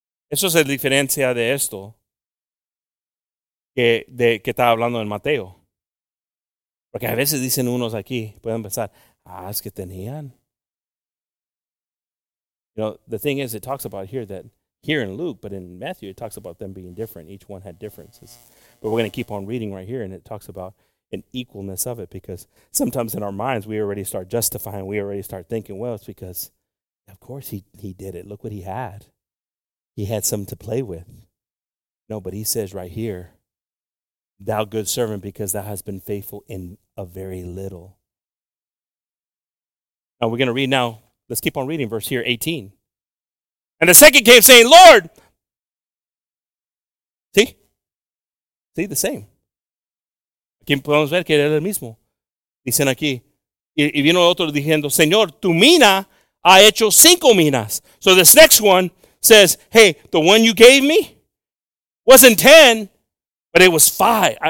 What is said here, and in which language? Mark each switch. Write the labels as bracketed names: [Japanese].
[Spanish] Eso es la diferencia de esto que estaba hablando en Mateo. Porque a veces dicen unos aquí, pueden pensar, ah, es que tenían. [English] You know, the thing is, it talks about here that here in Luke, but in Matthew, it talks about them being different. Each one had differences. But we're going to keep on reading right here, and it talks about an equalness of it, because sometimes in our minds, we already start justifying, we already start thinking, well, it's because, of course, he did it. Look what he had. He had something to play with. No, but he says right here, thou good servant, because thou hast been faithful in a very little. Now, we're going to read now. Let's keep on reading verse here, 18. And the second came saying, Lord. See, the same. [Spanish] Aquí podemos ver que era el mismo. Dicen aquí. Y vino otro diciendo, Señor, tu mina ha hecho cinco minas. [English] So this next one says, hey, the one you gave me wasn't 10, but it was 5.